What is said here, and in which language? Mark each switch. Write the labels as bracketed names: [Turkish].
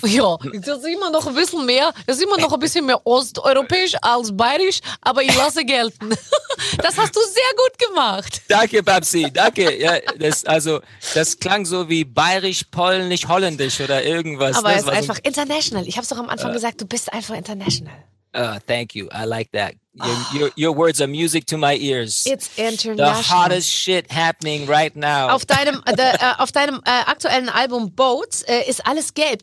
[German] Ja, das ist immer noch ein bisschen mehr osteuropäisch als bayerisch, aber ich lasse gelten. Das hast du sehr gut gemacht. Danke, Babsi, danke. Ja, das klang so wie bayerisch, polnisch, holländisch oder irgendwas. Aber es ist einfach so international. Ich habe es doch am Anfang gesagt, du bist einfach international. [English] Thank you, I like that. Your words are music to my ears. It's international. The hottest shit happening right now. [German] Auf deinem aktuellen Album Boats ist alles gelb.